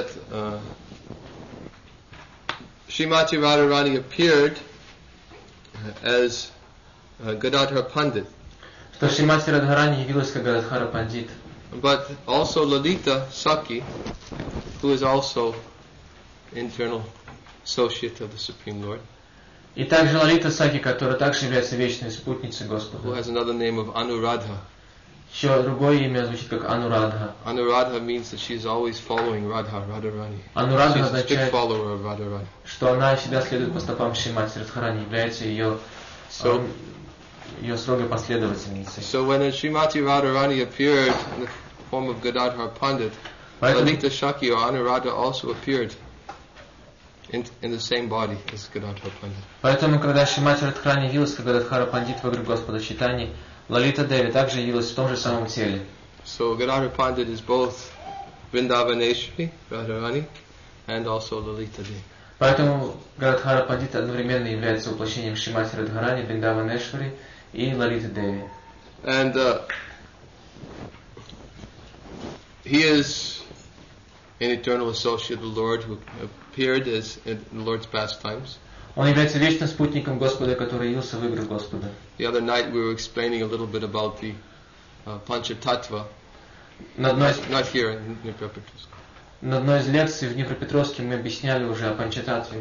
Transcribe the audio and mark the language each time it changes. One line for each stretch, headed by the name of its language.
English: that Srimati Radharani appeared as Gadadhar Pandit.
Russian: Что Шримати Радхарани явилась как Гададхара Пандит.
English: But also Lalita Sakhi, who is also internal associate of the Supreme Lord.
Russian: И также Лалита Сакхи, которая также является вечной спутницей Господа.
English: Who has another name of Anuradha.
Russian: Еще другое имя звучит как Anuradha.
English: Anuradha means that she is always following Radha, Radharani.
Russian: Anuradha означает,
English: strict follower of Radharani.
Russian: Что она всегда следует по стопам Шримати Радхарани, является ее
English: So when Srimati Radharani appeared in the form of Gadadhar Pandit, Lalita Sakhi or Anuradha also appeared in the same body as Gadadhar Pandit.
Russian: Поэтому когда Шримати Радхарани явилась как Гададхара Пандит в гриве Господа Чайтаньи, Лалита Деви также явилась в том же самом теле.
English: So Gadadhar Pandit is both Vrindavaneshwari Radharani and also Lalita Devi.
Russian: Поэтому Гададхара Пандит одновременно является воплощением Шримати Радхарани, Вриндаванешвари и Лалиты Деви.
English: And he is an eternal associate of the Lord who appeared as in the Lord's pastimes.
Russian: Он является вечным спутником Господа, который явился в играх Господа.
English: The other night we were explaining a little bit about the Panchatattva. Not here in Dnipropetrovsk.
Russian: На одной из лекций в Днепропетровске мы объясняли уже о Панчататве.